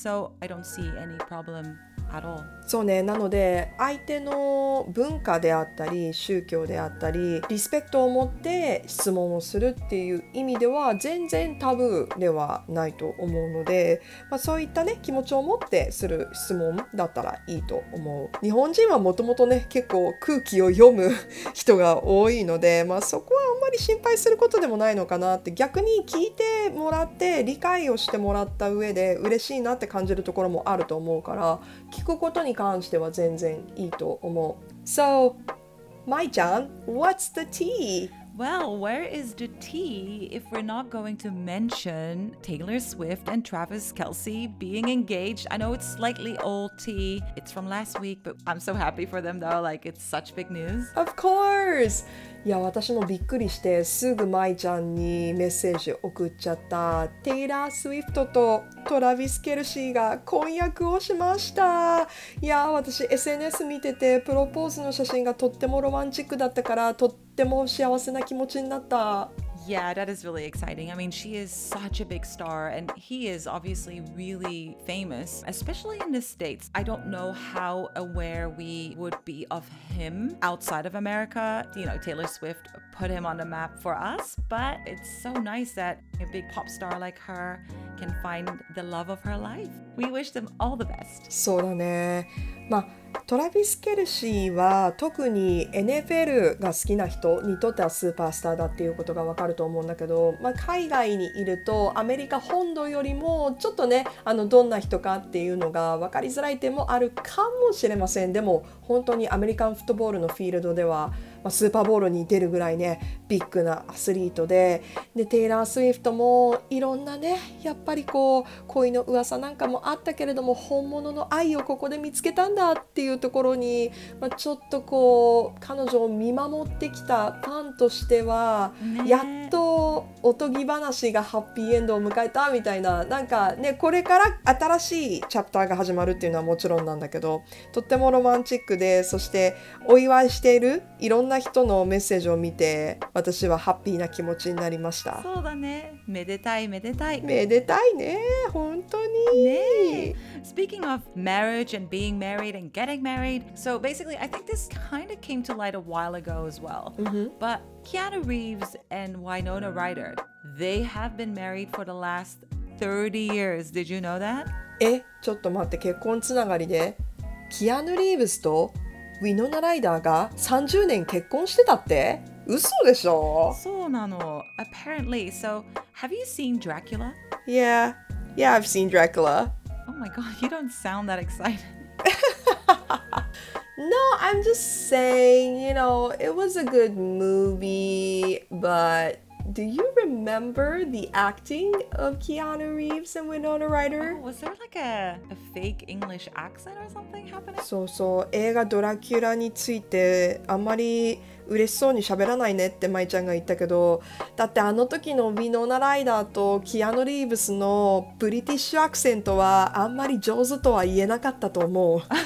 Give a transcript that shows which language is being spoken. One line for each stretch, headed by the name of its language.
English: So I don't see any problem. At all.
Japanese: そうね、なので相手の文化であったり宗教であったりリスペクトを持って質問をするっていう意味では全然タブーではないと思うので、まあ、そういったね気持ちを持ってする質問だったらいいと思う。日本人はもともとね結構空気を読む人が多いので、まあ、そこはあんまり心配することでもないのかなって、逆に聞いてもらって理解をしてもらった上で嬉しいなって感じるところもあると思うから、聞くことに関しては全然いいと思う。
English: So, Mai-chan, what's the tea? Well, where is the tea if we're not going to mention Taylor Swift and Travis Kelce being engaged? I know it's slightly old tea. It's from last week, but I'm so happy for them though. Like, it's such big news. Of course!
Japanese: いや、私もびっくりしてすぐ Mai-chan にメッセージ送っちゃった。 Taylor Swift とトラビス・ケルシーが婚約をしました。いや、私 SNS 見ててプロポーズの写真がとってもロマンチックだったから、とっても幸せな気持ちになった。
English: Yeah, that is really exciting. I mean, she is such a big star and he is obviously really famous, especially in the States. I don't know how aware we would be of him outside of America. You know, Taylor Swift put him on the map for us, but it's so nice that a big pop star like herCan find the love of her life. We wish them all the best.
Japanese: そうだね。まあ、トラビス・ケルシーは特に NFL が好きな人にとってはスーパースターだっていうことがわかると思うんだけど、まあ、海外にいるとアメリカ本土よりもちょっとね、どんな人かっていうのが分かりづらい点もあるかもしれません。でも本当にアメリカンフットボールのフィールドではまあ、スーパーボウルに出るぐらいねビッグなアスリートで、でテイラー・スウィフトもいろんなねやっぱりこう恋の噂なんかもあったけれども本物の愛をここで見つけたんだっていうところに、まあ、ちょっとこう彼女を見守ってきたファンとしては、ね、やっとおとぎ話がハッピーエンドを迎えたみたいな、なんかねこれから新しいチャプターが始まるっていうのはもちろんなんだけど、とってもロマンチックで、そしてお祝いしているいろんな人のメッセージを見て私はハッピーな気持ちになりました。そうだね、めでたいめでたいめでたいね、本当に。
English: ね、Speaking of marriage and being married and getting married, so basically I think this kind of came to light a while ago as well、 mm-hmm. But Keanu Reeves and Winona Ryder, they have been married for the last 30 years. Did you know that?
Japanese: え、ちょっと待って、結婚つながりでキアヌ・リーブスとウィノナ・ライダーが30年結婚してたって？嘘でしょ？そうなの。
English: Apparently, so have you seen Dracula? Yeah, yeah, I've seen Dracula. Oh my god, you don't sound that excited. No, I'm just saying, you know, it was a good movie, but do you remember the acting of Keanu Reeves and Winona Ryder? Oh, was there like a fake English accent or something happening?
Japanese: そうそう、映画ドラキュラについてあんまり嬉しそうに喋らないねってまいちゃんが言ったけど、だってあの時のウィノーナライダーとキアノリーブスのブリティッシュアクセントはあんまり上手とは言えなかったと思う。